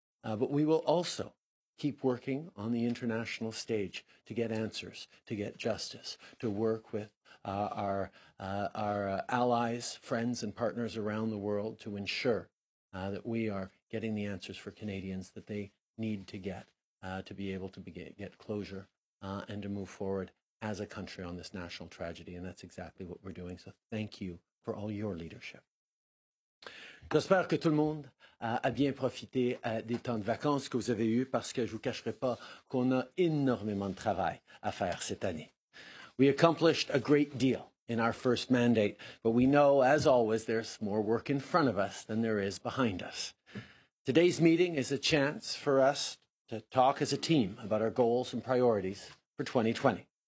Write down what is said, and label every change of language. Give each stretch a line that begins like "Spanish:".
English: But we will also keep working on the international stage to get answers, to get justice, to work with our allies, friends, and partners around the world to ensure that we are getting the answers for Canadians that they need to get to be able to get closure and to move forward as a country on this national tragedy. And that's exactly what we're doing. So thank you for all your leadership.
French: J'espère que tout le monde a bien profité des temps de vacances que vous avez eu parce que je ne vous cacherai pas qu'on a énormément de travail à faire cette année.
English: We accomplished a great deal in our first mandate, but we know, as always, there's more work in front of us than there is behind us. Today's meeting is a chance for us to talk as a team about our goals and priorities for 2020.